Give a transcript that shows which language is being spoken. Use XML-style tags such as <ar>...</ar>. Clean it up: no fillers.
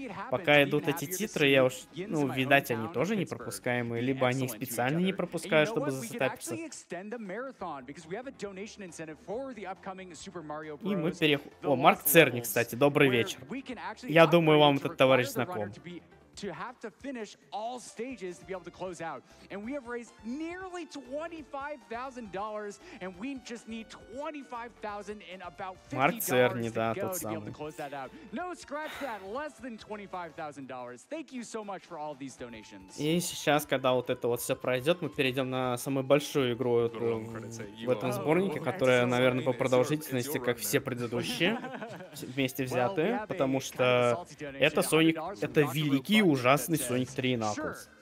<ru>Пока идут эти титры, я уж, ну, видать, они тоже непропускаемые, либо они их специально не пропускают, чтобы засетапиться. И мы переходим... О, Марк Церни, кстати, добрый вечер. Я думаю, вам этот товарищ знаком.</ru> <en>To have to finish all stages to be able to close out. And we have raised nearly $25,000, and we just need $25,000 and about $50 to go to be able to close that out. No, scratch that, less than $25,000. Thank you so much for all these donations.</en> <ru>И сейчас, когда вот это вот все пройдет, мы перейдем на самую большую игру в этом сборнике, которая, наверное, по продолжительности, как все предыдущие, вместе взятые, потому что это Sonic, это великий ужасный Sonic 3 и Knuckles.</ru>